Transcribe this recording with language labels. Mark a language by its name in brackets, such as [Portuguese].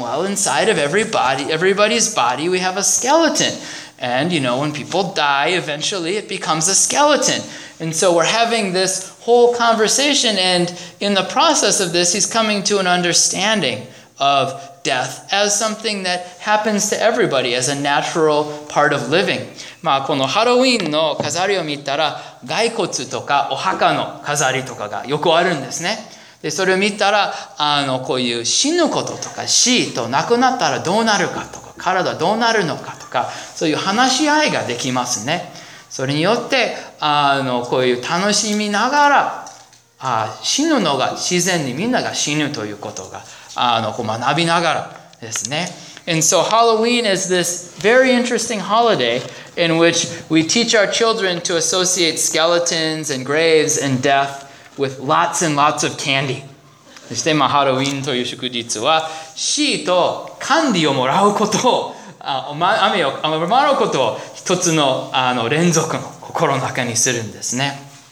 [English] Well, inside of everybody's body, we have a skeleton. And, you know, when people die, eventually it becomes a skeleton. And so we're having this whole conversation. And in the process of this, he's coming to an understanding of death as something that happens to everybody as a natural part of living. [Japanese] まあこのハロウィンの飾りを見たら骸骨とかお墓の飾りとかがよくあるんですね。でそれを見たらこういう死ぬこととか死と亡くなったらどうなるかとか体どうなるのかとかそういう話し合いができますね。それによってこういう楽しみながら死ぬのが自然にみんなが死ぬということが学びながらですね。 [English] And so Halloween is this very interesting holiday in which we teach our children to associate skeletons and graves and death with lots and lots of candy. [Japanese] そして、まあ、ハロウィンという祝日は死とキャンディをもらうことを雨をもらうことを一つの連続の心の中にするんですね。